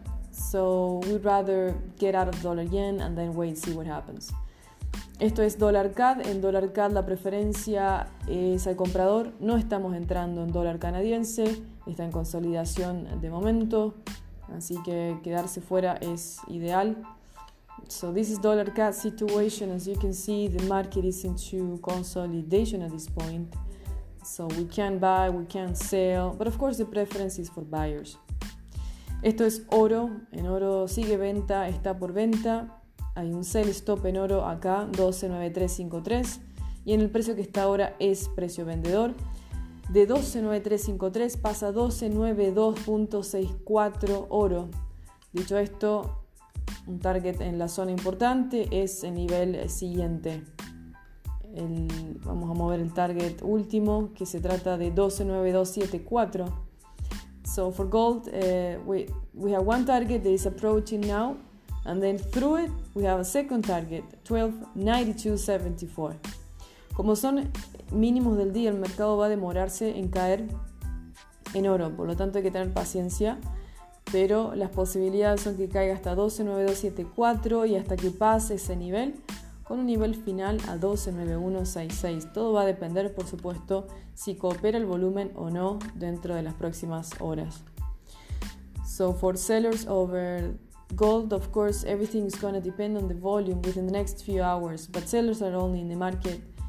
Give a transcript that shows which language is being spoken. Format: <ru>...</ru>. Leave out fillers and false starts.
<en>So we'd rather get out of dollar yen and then wait and see what happens.</en> <es>Esto es dólar CAD. En dólar CAD la preferencia es al comprador. No estamos entrando en dólar canadiense. Está en consolidación de momento. Así que quedarse fuera es ideal.</es> <en>So this is dólar CAD situation. As you can see, the market is into consolidation at this point. So we can buy, we can sell. But of course the preference is for buyers.</en> <es>Esto es oro. En oro sigue venta, está por venta. Hay un sell stop en oro acá, 129.353, y en el precio que está ahora es precio vendedor. De 12.9353 pasa 12.92.64 oro. Dicho esto, un target en la zona importante es el nivel siguiente. Vamos a mover el target último, que se trata de 12.9274.</es> <en>So for gold, we have one target that is approaching now, and then through it we have a second target, 12.9274.</en> <es>Como son mínimos del día, el mercado va a demorarse en caer en oro, por lo tanto hay que tener paciencia, pero las posibilidades son que caiga hasta 12.9274 y hasta que pase ese nivel, con un nivel final a 12.9166. Todo va a depender, por supuesto, si coopera el volumen o no dentro de las próximas horas.</es> <en>So for sellers over gold, of course, everything is going to depend on the volume within the next few hours, but sellers are only in the market.</en>